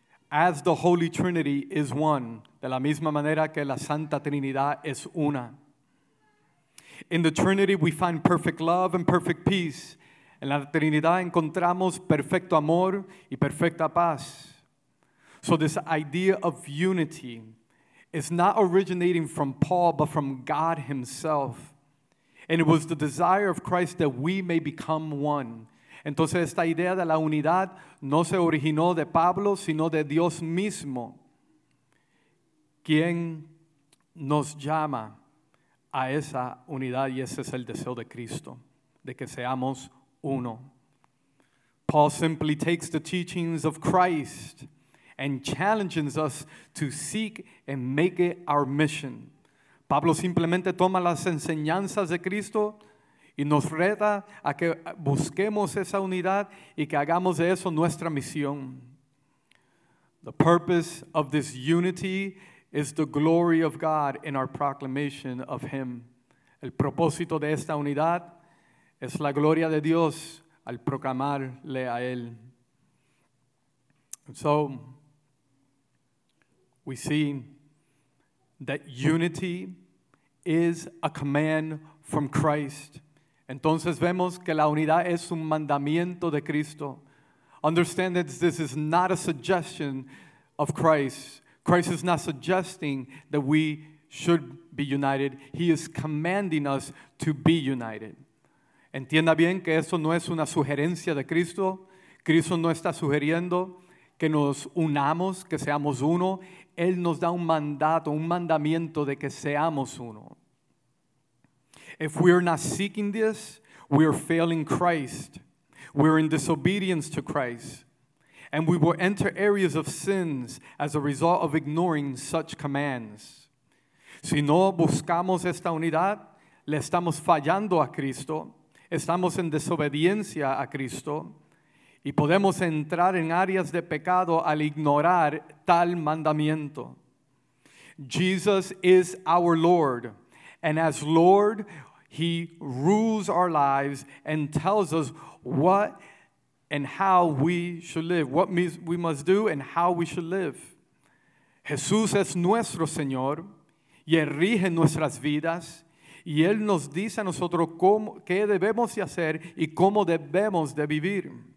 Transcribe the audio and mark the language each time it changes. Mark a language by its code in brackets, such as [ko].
[en] As the Holy Trinity is one. [es] De la misma manera que la Santa Trinidad es una. [en] In the Trinity we find perfect love and perfect peace. [es] En la Trinidad encontramos perfecto amor y perfecta paz. [en] So this idea of unity is not originating from Paul, but from God himself. And it was the desire of Christ that we may become one. [es] Entonces esta idea de la unidad no se originó de Pablo, sino de Dios mismo, quien nos llama a esa unidad, y ese es el deseo de Cristo, de que seamos uno. [en] Paul simply takes the teachings of Christ and challenges us to seek and make it our mission. [es] Pablo simplemente toma las enseñanzas de Cristo y nos reta a que busquemos esa unidad y que hagamos de eso nuestra misión. [en] The purpose of this unity is the glory of God in our proclamation of Him. [es] El propósito de esta unidad es la gloria de Dios al proclamarle a Él. [en] So, we see that unity is a command from Christ. [es] Entonces vemos que la unidad es un mandamiento de Cristo. [en] Understand that this is not a suggestion of Christ. Christ is not suggesting that we should be united. He is commanding us to be united. [es] Entienda bien que eso no es una sugerencia de Cristo. Cristo no está sugiriendo que nos unamos, que seamos uno. Él nos da un mandato, un mandamiento de que seamos uno. [en] If we are not seeking this, we are failing Christ. We are in disobedience to Christ. And we will enter areas of sins as a result of ignoring such commands. [es] Si no buscamos esta unidad, le estamos fallando a Cristo. Estamos en desobediencia a Cristo. Y podemos entrar en áreas de pecado al ignorar tal mandamiento. [en] Jesus is our Lord. And as Lord, He rules our lives and tells us what and how we should live, what we must do and how we should live. [es] Jesús es nuestro Señor y Él rige nuestras vidas y Él nos dice a nosotros qué debemos de hacer y cómo debemos de vivir.